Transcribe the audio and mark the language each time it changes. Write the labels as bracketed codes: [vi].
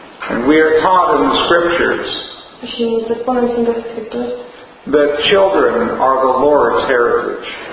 [en] And we are taught in the scriptures [ro] și se spune în Sfintele Scripturi [en] that children are the Lord's heritage.